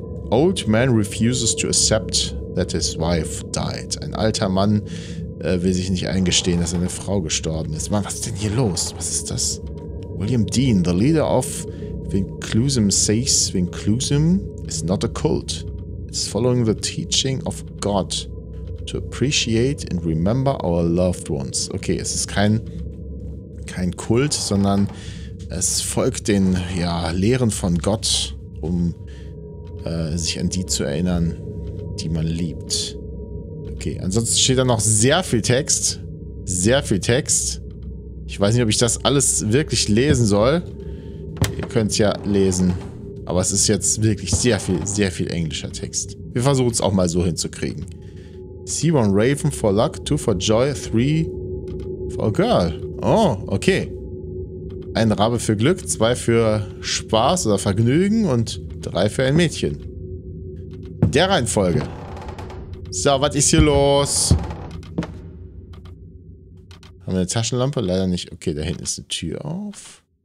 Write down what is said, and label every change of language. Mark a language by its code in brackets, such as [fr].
[en] Old man refuses to accept that his wife died. [de] Ein alter Mann will sich nicht eingestehen, dass seine Frau gestorben ist. Mann, was ist denn hier los? Was ist das? [en] William Dean, the leader of Vinclusum, says Vinclusum is not a cult. It's following the teaching of God. To appreciate and remember our loved ones. [de] Okay, es ist kein Kult, sondern es folgt den ja, Lehren von Gott, um sich an die zu erinnern, die man liebt. Okay, ansonsten steht da noch sehr viel Text. Sehr viel Text. Ich weiß nicht, ob ich das alles wirklich lesen soll. Ihr könnt ja lesen. Aber es ist jetzt wirklich sehr viel englischer Text. Wir versuchen es auch mal so hinzukriegen. [en] C1 Raven for luck, 2 for joy, 3 for girl. [de] Oh, okay. Ein Rabe für Glück, 2 für Spaß oder Vergnügen und 3 für ein Mädchen. In der Reihenfolge. So, was ist hier los? Haben wir eine Taschenlampe? Leider nicht. Okay, da hinten ist eine Tür auf.